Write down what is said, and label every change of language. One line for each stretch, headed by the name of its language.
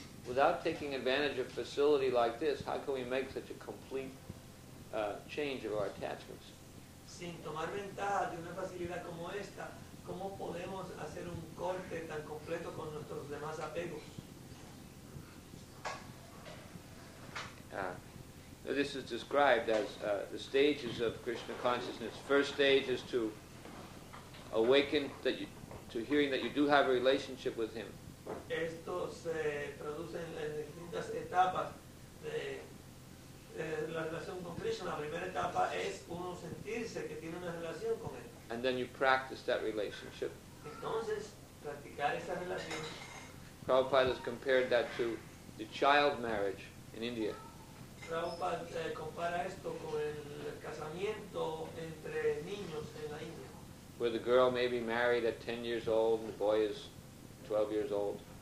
English: Without taking advantage of a facility like this, how can we make such a complete change of our attachments?
Spanish: Sin tomar ventaja de una facilidad como esta, ¿cómo podemos hacer un corte tan completo con nuestros demás apegos?
English: This is described as the stages of Krishna consciousness. First stage is to awaken to hearing that you do have a relationship with him.
Spanish: Esto se produce en distintas etapas de la relación con Krishna. La primera etapa es uno sentirse que tiene una relación con él.
English: And then you practice that relationship.
Spanish: Entonces, practicar esa relación.
English: Prabhupada has compared that to the child marriage in India.
Spanish: Prabhupada compara esto con el casamiento entre niños en la India.
English: Where the girl may be married at 10 years old and the boy is 12 years old.